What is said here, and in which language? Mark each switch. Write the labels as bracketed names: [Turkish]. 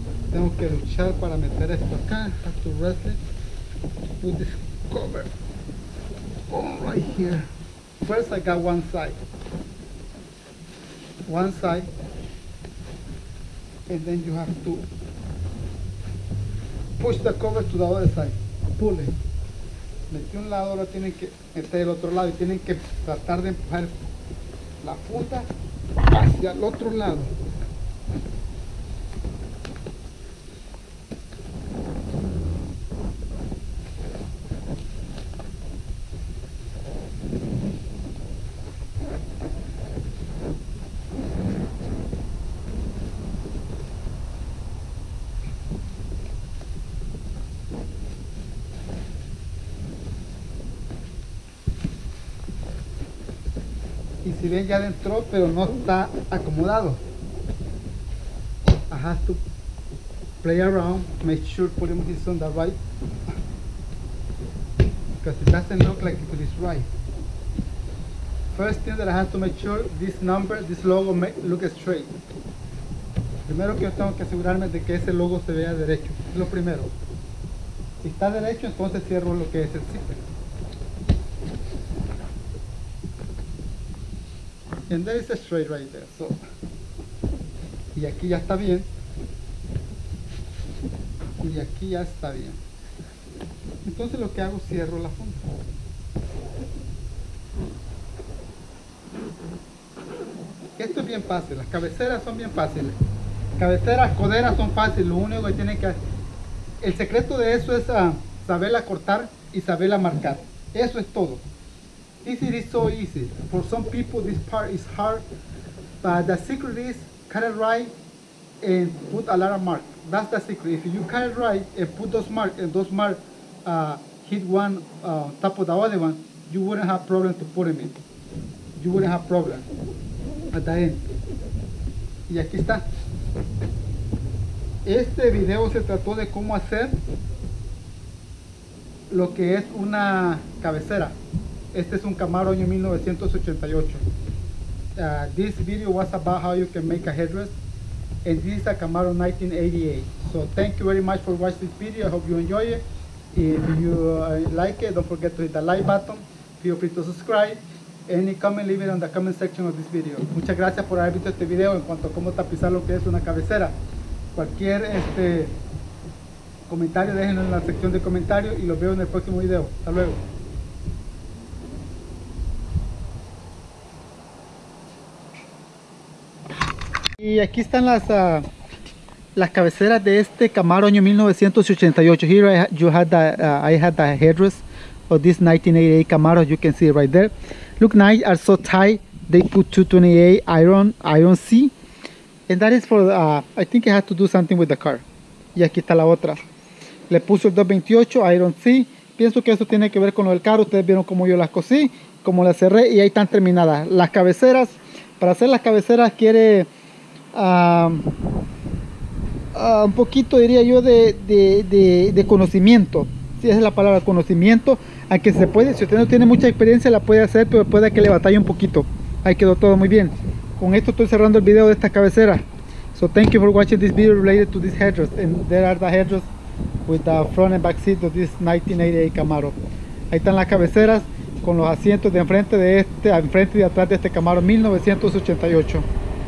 [Spanish] Tengo que luchar para meter esto acá. [English] I have to wrestle it. Put this cover on right here. First I got one side. One side. And then you have to push the cover to the other side. Pull it. [Spanish] Metí un lado, ahora tienen que meter el otro lado y tienen que tratar de empujar la funda hacia el otro lado. Y si ven, ya entró, pero no está acomodado. [English] I have to play around, make sure putting this on the right. Because it doesn't look like it is right. First thing that I have to make sure, this number, this logo look straight. [Spanish] Primero que yo tengo que asegurarme de que ese logo se vea derecho. Es lo primero. Si está derecho, entonces cierro lo que es el zipper. [English] And there is a straight right there, so. [Spanish] Y aquí ya está bien. Y aquí ya está bien. Entonces lo que hago, cierro la funda. Esto es bien fácil, las cabeceras son bien fáciles. Cabeceras, coderas son fáciles, lo único que tienen que hacer. El secreto de eso es saberla cortar y saberla marcar. Eso es todo. [English] Easy is so easy. For some people this part is hard, but the secret is cut it right and put a lot of mark. That's the secret. If you cut it right and put those mark, and those mark hit one top of the other one, you wouldn't have problem to put them in. You wouldn't have problem at the end. [Spanish] Y aquí está. Este video se trató de cómo hacer lo que es una cabecera. Este es un Camaro año 1988. [English] This video was about how you can make a headrest. And this is a Camaro 1988. So thank you very much for watching this video. I hope you enjoy it. If you like it, don't forget to hit the like button. Feel free to subscribe. Any comment, leave it on the comment section of this video. [Spanish] Muchas gracias por haber visto este video en cuanto a cómo tapizar lo que es una cabecera. Cualquier comentario, déjenlo en la sección de comentarios y los veo en el próximo video. Hasta luego. Y aquí están las cabeceras de este Camaro año 1988. [English] Here I had the headrest of this 1988 Camaro. You can see it right there. Look nice, are so tight. They put 228 iron C, and that is for I think it has to do something with the car. [Spanish] Y aquí está la otra. Le puso el 228 iron C. Pienso que eso tiene que ver con lo del carro. Ustedes vieron cómo yo las cosí, cómo las cerré, y ahí están terminadas las cabeceras. Para hacer las cabeceras quiere un poquito, diría yo, de conocimiento. Si esa es la palabra, conocimiento. Aunque se puede, si usted no tiene mucha experiencia, la puede hacer, pero puede que le batalle un poquito. Ahí quedó todo muy bien. Con esto estoy cerrando el video de esta cabecera. [English] So thank you for watching this video related to this headrest. And there are the headrest with the front and back seat of this 1988 Camaro. [Spanish] Ahí están las cabeceras con los asientos de enfrente de este, enfrente y atrás de este Camaro 1988.